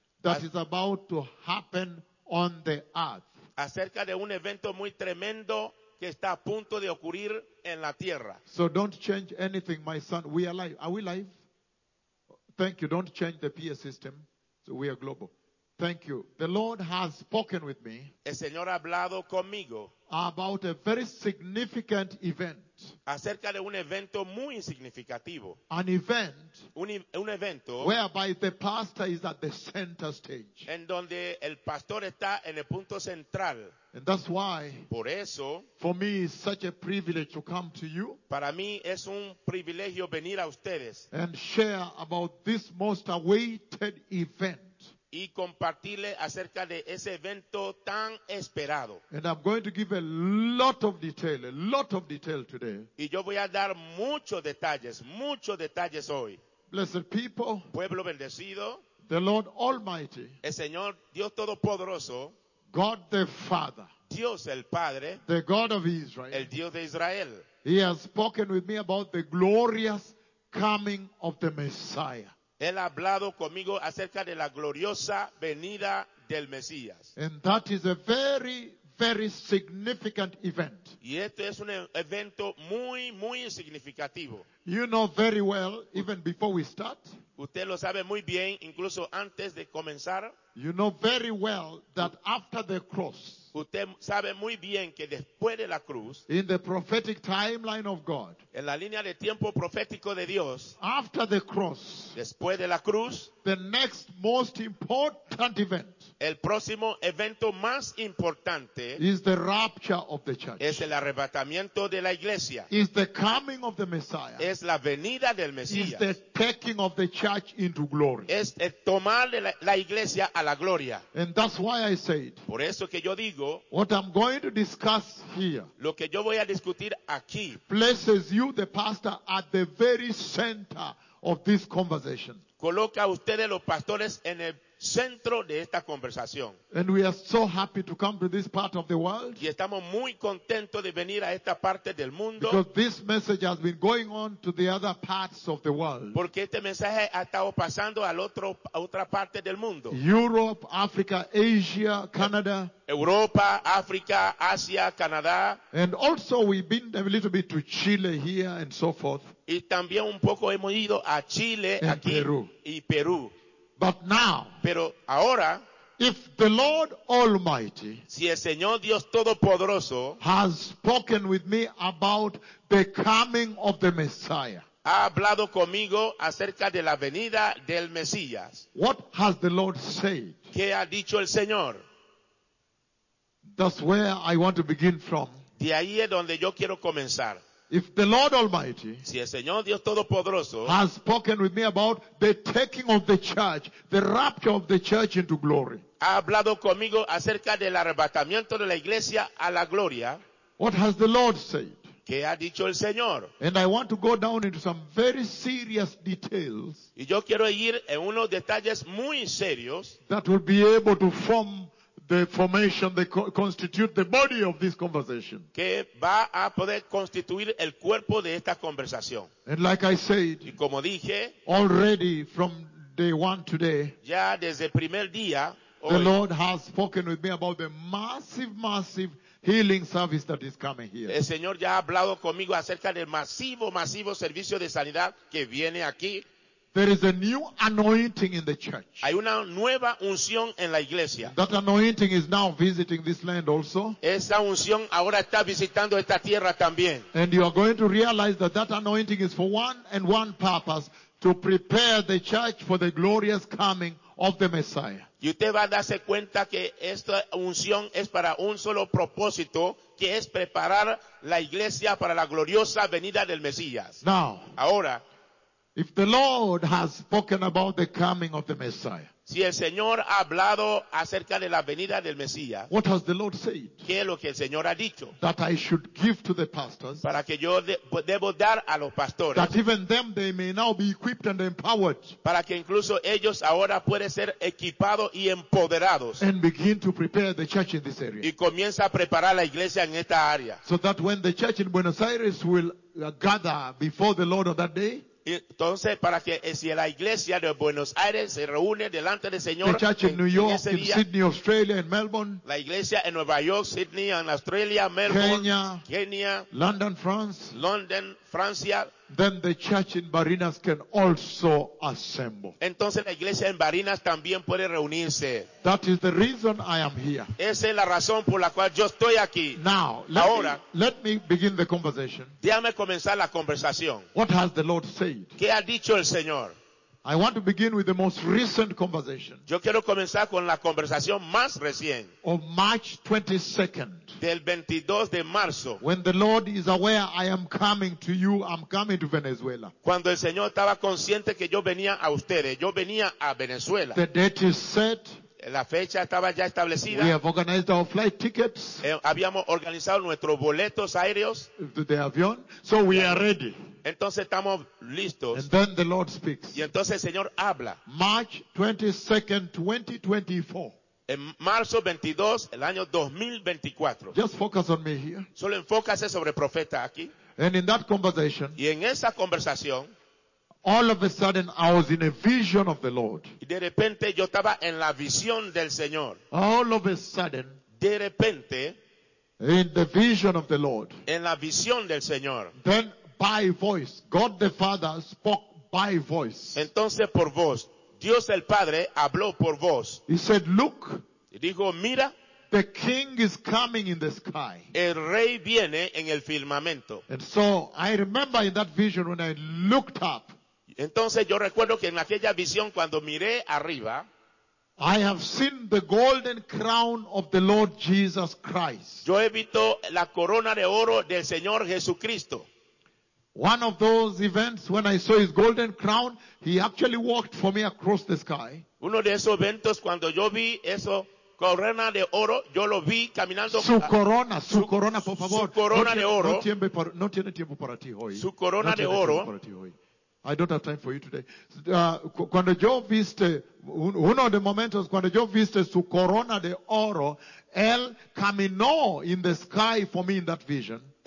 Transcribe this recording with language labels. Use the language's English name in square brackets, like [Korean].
[English] That is about to happen on the earth. [Spanish] Acerca de un evento muy tremendo que está a punto de ocurrir en la tierra. [English] So don't change anything, my son. We are live. Are we live? Thank you. Don't change the PA system. So we are global. Thank you. The Lord has spoken with me. [Spanish] El Señor ha hablado conmigo. [English] About a very significant event. [Spanish] Acerca de un evento muy significativo. [English] An event. [Spanish] Un evento. [English] Whereby the pastor is at the center stage. [Spanish] En donde el pastor está en el punto central. [English] And that's why. [Spanish] Por eso. [English] For me it's such a privilege to come to you. [Spanish] Para mí es un privilegio venir a ustedes. [English] And share about this most awaited event. [Spanish] Y compartirle acerca de ese evento tan esperado. [English] And I'm going to give a lot of detail, a lot of detail today. [Spanish] Y yo voy a dar muchos detalles hoy. [English] Blessed people. [Spanish] Pueblo bendecido. [English] The Lord Almighty. [Spanish] El Señor Dios Todopoderoso. [English] God the Father. [Spanish] Dios el Padre. [English] The God of Israel. [Spanish] El Dios de Israel. [English] He has spoken with me about the glorious coming of the Messiah. [Spanish] Él ha hablado conmigo acerca de la gloriosa venida del Mesías. [English] And that is a very, very significant event. [Spanish] Y esto es un evento muy, muy significativo. [English] You know very well, even before we start. [Spanish] Usted lo sabe muy bien, incluso antes de comenzar. [English] You know very well that after the cross. [Spanish] Usted sabe muy bien que después de la cruz. [English] In the prophetic timeline of God. [Spanish] En la línea de tiempo profético de Dios. [English] After the cross. [Spanish] Después de la cruz. [English] The next most important event. [Spanish] El próximo evento más importante. [English] Is the rapture of the church. [Spanish] Es el arrebatamiento de la iglesia. [English] Is the coming of the Messiah. [Spanish] Es la venida del Mesías. [English] Is the taking of the church into glory. [Spanish] Es el tomar de la iglesia a la gloria. [English] And that's why I said. [Spanish] Por eso que yo digo. [English] What I'm going to discuss here. [Spanish] Lo que yo voy a discutir aquí. [English] Places you, the pastor, at the very center of this conversation. [Spanish] Coloca a ustedes los pastores en el centro de esta conversación. [English] And we are so happy to come to this part of the world. [Spanish] Y estamos muy contentos de venir a esta parte del mundo. [English] Because this message has been going on to the other parts of the world. [Spanish] Porque este mensaje ha estado pasando al otro, a otra parte del mundo. [English] Europe, Africa, Asia, Canada. [Spanish] Europa, África, Asia, Canadá. [English] And also we've been a little bit to Chile here and so forth. [Spanish] Y también un poco hemos ido a Chile [English] and [Spanish] aquí [English] Peru. [Spanish] Y Perú. [English] But now, [Spanish] pero ahora, [English] if the Lord Almighty, [Spanish] si el Señor Dios Todopoderoso, [English] has spoken with me about the coming of the Messiah, [Spanish] ha hablado conmigo acerca de la venida del Mesías. [English] What has the Lord said? [Spanish] ¿Qué ha dicho el Señor? [English] That's where I want to begin from. [Spanish] De ahí es donde yo quiero comenzar. [English] If the Lord Almighty, [Spanish] si el Señor Dios Todopoderoso, [English] has spoken with me about the taking of the church, the rapture of the church into glory, [Spanish] ha hablado conmigo acerca del arrebatamiento de la iglesia a la gloria, [English] what has the Lord said? [Spanish] ¿Qué ha dicho el Señor? [English] And I want to go down into some very serious details, [Spanish] y yo quiero ir en unos detalles muy serios, [English] that will be able to form the formation that constitute the body of this conversation. [Spanish] Que va a poder constituir el cuerpo de esta conversación. [English] And like I said, [Spanish] y como dije, [English] already from day one today, [Spanish] ya desde el primer día, [English] the hoy, Lord has spoken with me about the massive, massive healing service that is coming here. [Spanish] El Señor ya ha hablado conmigo acerca del masivo, masivo servicio de sanidad que viene aquí. [English] There is a new anointing in the church. [Spanish] Hay una nueva unción en la iglesia. [English] That anointing is now visiting this land also. [Spanish] Esa unción ahora está visitando esta tierra también. [English] And you are going to realize that that anointing is for one and one purpose, to prepare the church for the glorious coming of the Messiah. [Spanish] Y usted va a darse cuenta que esta unción es para un solo propósito, que es preparar la iglesia para la gloriosa venida del Mesías. [English] Now, [Spanish] ahora, [English] if the Lord has spoken about the coming of the Messiah, [Spanish] si el Señor ha hablado acerca de la venida del Mesías, [English] what has the Lord said? [Spanish] ¿Qué es lo que el Señor ha dicho? [English] That I should give to the pastors, [Spanish] para que yo debo dar a los pastores, [English] that even them they may now be equipped and empowered, [Spanish] para que incluso ellos ahora pueden ser equipados y empoderados, [English] and begin to prepare the church in this area, [Spanish] y comienza a preparar la iglesia en esta área, [English] so that when the church in Buenos Aires will gather before the Lord on that day, [Spanish] entonces, para que si la iglesia de Buenos Aires se reúne delante del Señor, [English] the church in New York, [Spanish] día, [English] in Sydney, Australia, and Melbourne, [Spanish] la iglesia en Nueva York, Sydney, en Australia, Melbourne, [English] Kenya, London, France, [Spanish] London, Francia, [English] then the church in Barinas can also assemble. [Spanish] Entonces la iglesia en Barinas también puede reunirse. [English] That is the reason I am here. [Spanish] Esa es la razón por la cual yo estoy aquí. [English] Now, [Spanish] ahora, [English] let me begin the conversation. [Spanish] Déjame comenzar la conversación. [English] What has the Lord said? [Spanish] ¿Qué ha dicho el Señor? [English] I want to begin with the most recent conversation. [Spanish] Yo quiero comenzar con la conversación más recién. [English] Of March 22nd. [Spanish] Del 22 de marzo. [English] When the Lord is aware I am coming to you, I'm coming to Venezuela. [Spanish] Cuando el Señor estaba consciente que yo venía a ustedes, yo venía a Venezuela. [English] The date is set. [Spanish] La fecha estaba ya establecida. [English] We have organized our flight tickets. [Spanish] Habíamos organizado nuestros boletos aéreos. De avión. [English] So we are ready. [Spanish] Entonces estamos listos. [English] And then the Lord speaks. [Spanish] Y entonces el Señor habla. [English] March 22nd, 2024. [Spanish] En marzo 22, el año 2024. [English] Just focus on me here. [Spanish] Solo enfócase sobre el profeta aquí. [English] And in that conversation. [Spanish] Y en esa conversación. [English] All of a sudden, I was in a vision of the Lord. [Spanish] Y de repente, yo estaba en la visión del Señor. [English] All of a sudden, [Spanish] de repente, [English] in the vision of the Lord, [Spanish] en la visión del Señor, [English] then by voice, God the Father spoke by voice. [Spanish] Entonces, por voz, Dios el Padre habló por voz. [English] He said, look, [Spanish] y dijo, mira, [English] the king is coming in the sky. [Spanish] El rey viene en el firmamento. [English] And so, I remember in that vision when I looked up, [Spanish] entonces yo recuerdo que en aquella visión cuando miré arriba, [English] I have seen the golden crown of the Lord Jesus Christ. [Spanish] Yo he visto la corona de oro del Señor Jesucristo. [English] One of those events when I saw his golden crown, he actually walked for me across the sky. [Spanish] Uno de esos eventos cuando yo vi eso, corona de oro, yo lo vi caminando. Su corona, por favor. Su corona no tiene, de oro. No tiene tiempo para ti hoy. Su corona no de oro. [English] I don't have time for you today. [Spanish] Cuando yo viste, uno de momentos cuando yo viste su corona de oro, él caminó [English] in the sky for me in that vision.